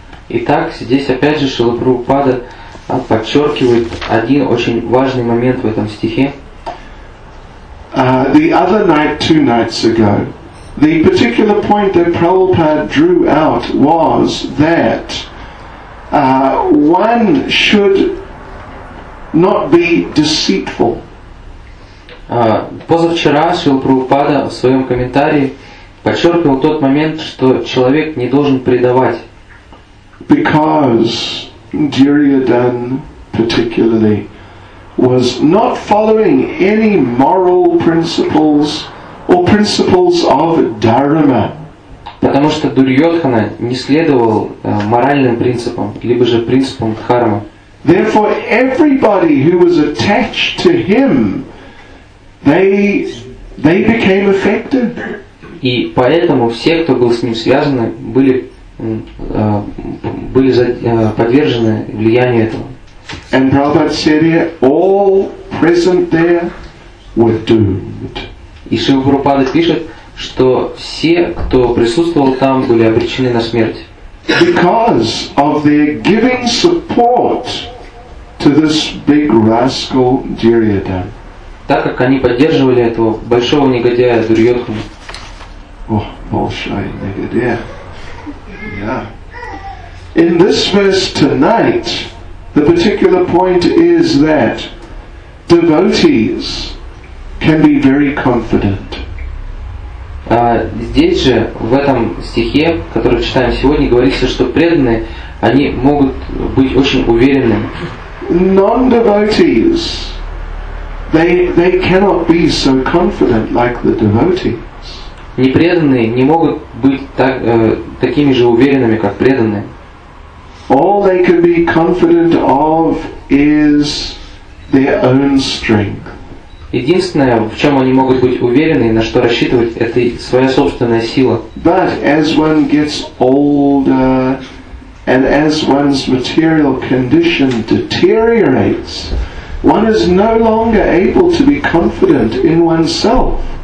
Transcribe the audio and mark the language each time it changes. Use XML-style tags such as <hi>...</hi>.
<ru>Итак, здесь опять же Шрила Прабхупада подчеркивает один очень важный момент в этом стихе.</ru> <en>The other night, two nights ago, the particular point that Prabhupada drew out was that one should not be deceitful.</en> <ru>Позавчера Шрила Прабхупада в своем комментарии подчеркивал тот момент, что человек не должен предавать.</ru> <en>Because Duryodhana particularly was not following any moral principles or principles of dharma.</en> <ru>Потому что Дурьодхана не следовал моральным принципам, либо же принципам дхармы.</ru> <en>Therefore, everybody who was attached to him, they became affected.</en> <ru>И поэтому все, кто был с ним связаны, были подвержены влиянию этого.</ru> <en>And Prabhupada said here, all present there were doomed.</en> <ru>И Шрила Прабхупада пишет, что все, кто присутствовал там, были обречены на смерть.</ru> <en>Because of their giving support to this big rascal Duryodhana.</en> <ru>Так как они поддерживали этого большого негодяя Дурьодхану. Oh, большой негодяя. Yeah.</ru> <en>In this verse tonight, the particular point is that devotees can be very confident.</en> <ru>Здесь же, в этом стихе, который мы читаем сегодня, говорится, что преданные, они могут быть очень уверенными.</ru> <en>Non-devotees, they cannot be so confident like the devotees.</en> <ru>Непреданные не могут быть такими же уверенными, как преданные.</ru> <en>All they can be confident of is their own strength.</en> <ru>Единственное, в чем они могут быть уверены, на что рассчитывать, это своя собственная сила.</ru> <en>But as one gets older and as one's material condition deteriorates, one is no longer able to be confident in oneself.</en>